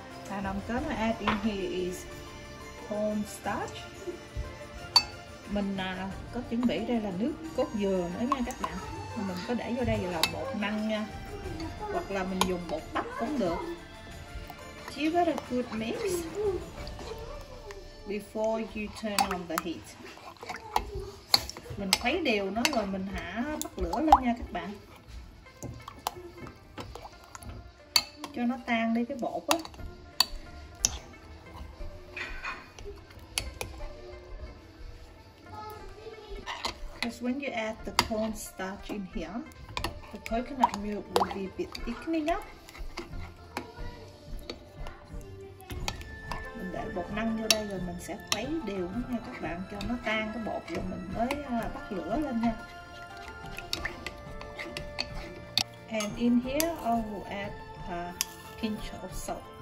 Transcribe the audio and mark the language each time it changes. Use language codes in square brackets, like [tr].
[en] And I'm gonna add in here is corn starch. [vi] Mình có chuẩn bị đây là nước cốt dừa nữa nha các bạn. Mình có để vô đây là bột năng nha. Hoặc là mình dùng bột bắp cũng được. [en] Give it a good mix before you turn on the heat. [vi] Mình khuấy đều nó rồi mình hạ bắt lửa lên nha các bạn, cho nó tan đi cái bột á. [en] Because when you add the corn starch in here, the coconut milk will be a bit thickening up. [vi] Bột năng vô đây rồi mình sẽ khuấy đều nó nha các bạn, cho nó tan cái bột rồi mình mới bắt lửa lên nha. [en] And in here I will add a pinch of salt.